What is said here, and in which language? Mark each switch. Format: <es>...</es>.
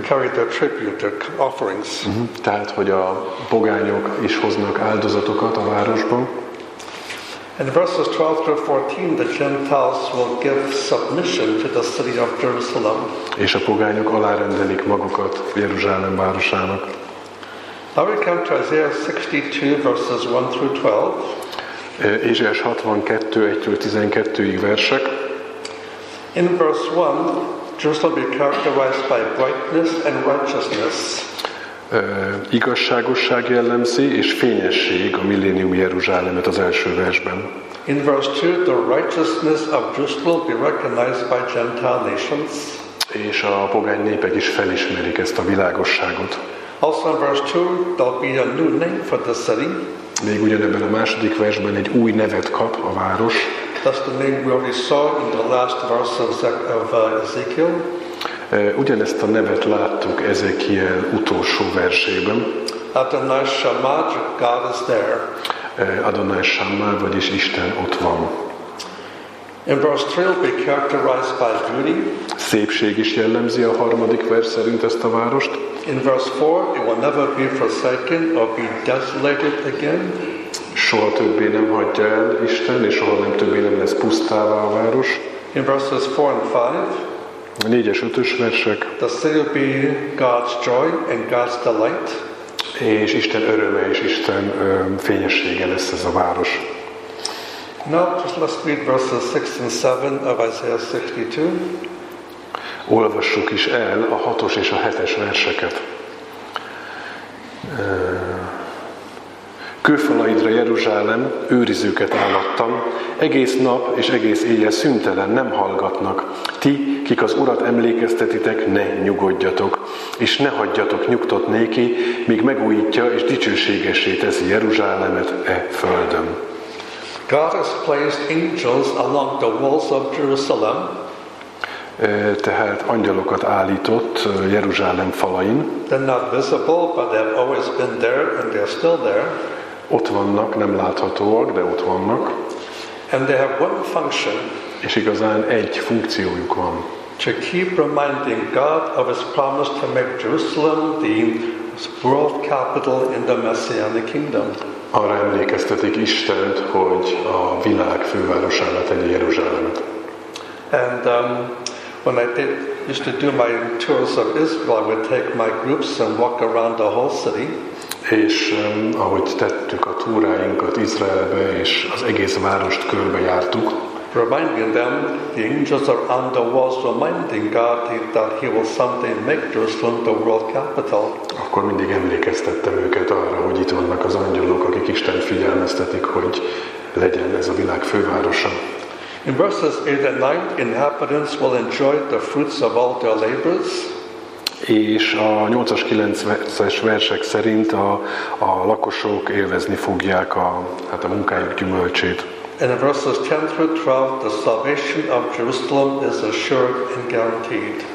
<en>carry their tribute, their offerings.</en> <hu>Tehát, hogy a pogányok is hoznak áldozatokat a városban.</hu> <en>In verses 12 through 14, the Gentiles will give submission to the city of Jerusalem.</en> <hu>És a pogányok alárendelik magukat Jeruzsálem városának.</hu> <en>Now we come to Isaiah 62 verses 1 through 12.</en> <hu>Ézsaiás 62, 1-től 12-ig versek.</hu> <en>In verse 1, Jerusalem will be characterized by brightness and righteousness.</en> <hu>Igazságosság jellemzi, és fényesség a millénium Jeruzsálemet az első versben.</hu> <en>In verse 2, the righteousness of Jerusalem will be recognized by Gentile nations.</en> <hu>És a pogány népek is felismerik ezt a világosságot.</hu> <en>Also in verse 2, there'll be a new name for the city.</en> <hu>Még ugyanebben a második versben egy új nevet kap a város.</hu> <en>That's the name we already saw in the last verse of Ezekiel.</en> <hu>Ugyanezt a nevet láttuk Ezekiel utolsó versében.</hu> <en>Adonai Shammah, God is there.</en> <hu>Adonai Shammah, vagyis Isten ott van.</hu> <en>In verse 3, be characterized by beauty.</en> <hu>Szépség is jellemzi a harmadik vers szerint ezt a várost.</hu> <en>In verse 4, it will never be forsaken or be desolated again.</en> <hu>Soha többé nem hagyja el Isten, és soha nem többé nem lesz pusztává a város.</hu> <en>In verses 4 and 5,</en> <hu>a 4-es, 5-ös versek.</hu> <en>The city will be God's joy and God's delight.</en> <hu>És Isten öröme és Isten fényessége lesz ez a város.</hu> <en>Now just let's read verses 6 and 7 of Isaiah 62.</en> <hu>Olvassuk is el a 6-os és a 7-es verseket. Kőfalaidra, Jeruzsálem, őriződőket állattam, egész nap és egész éjjel szüntelen nem hallgatnak. Ti, kik az Urat emlékeztetitek, ne nyugodjatok, és ne hagyjatok nyugtot néki, míg megújítja és dicsőségessé teszi Jeruzsálemet e földön.</hu> <en>God has placed angels along the walls of Jerusalem.</en> <hu>Tehát angyalokat állított Jeruzsálem falain.</hu> <en>They're not visible, but they've always been there, and they're still there.</en> <hu>Ott vannak, nem láthatóak, de ott vannak.</hu> <en>And they have one function.</en> <hu>És igazán egy funkciójuk van.</hu> <en>To keep reminding God of His promise to make Jerusalem the world capital in the Messianic kingdom.</en> <hu>Arra emlékeztetik Istent, hogy a világ fővárosává tegye Jeruzsálemet.</hu> <en>And when I did, used to do my tours of Israel, I would take my groups and walk around the whole city.</en> <hu>És ahogy tettük a túráinkat Izraelbe, és az egész várost körbejártuk.</hu> <en>Reminding them, the angels are on the walls reminding God that He will someday make Jerusalem the world capital.</en> <hu>Akkor mindig emlékeztettem őket arra, hogy itt vannak az angyalok, akik Isten figyelmeztetik, hogy legyen ez a világ fővárosa.</hu> <en>In verses 8 and 9, inhabitants will enjoy the fruits of all their labors.</en> <hu>És a 8-as, 9-es versek szerint a lakosok élvezni fogják a munkájuk gyümölcsét.</hu> <en>In verses 10 through 12, the salvation of Jerusalem is assured and guaranteed.</en>